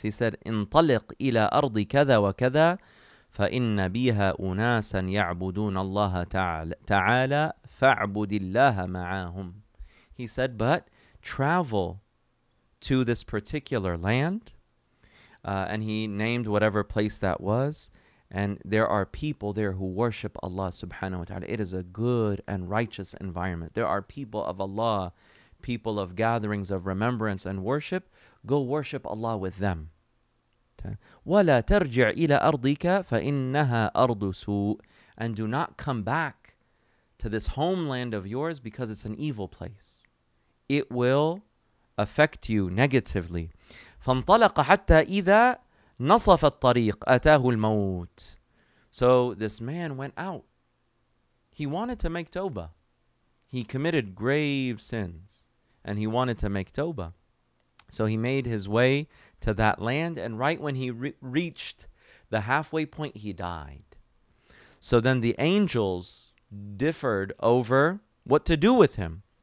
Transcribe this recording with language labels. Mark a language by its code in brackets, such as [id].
[en] He said, [ar] انطلق إلى أرض كذا وكذا فإن بيها أناسا يعبدون الله تعالى فاعبد الله معاهم. [en] He said, but travel to this particular land. And he named whatever place that was. And there are people there who worship Allah subhanahu wa ta'ala. It is a good and righteous environment. There are people of Allah, people of gatherings of remembrance and worship. Go worship Allah with them. [ar] وَلَا تَرْجِعْ إِلَىٰ أَرْضِكَ فَإِنَّهَا أَرْضُ سُوءٍ [en] And do not come back to this homeland of yours because it's an evil place. It will affect you negatively. [ar] فَانْطَلَقَ حَتَّى إِذَا نصف الطريق أتاه الموت. [en] So this man went out. He wanted to make tawbah. He committed grave sins and he wanted to make tawbah. So he made his way to that land, and right when he reached the halfway point, he died. So then the angels differed over what to do with him.